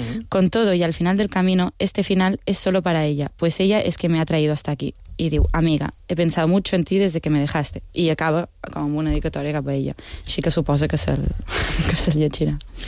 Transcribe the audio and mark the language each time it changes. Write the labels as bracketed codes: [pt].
[es] Con todo y al final del camino, este final es solo para ella, pues ella es que me ha traído hasta aquí. Y diu, amiga, he pensado mucho en ti desde que me dejaste. [ca] Y acaba com una dedicatòria cap a ella. Així que suposa que se'l llegirà.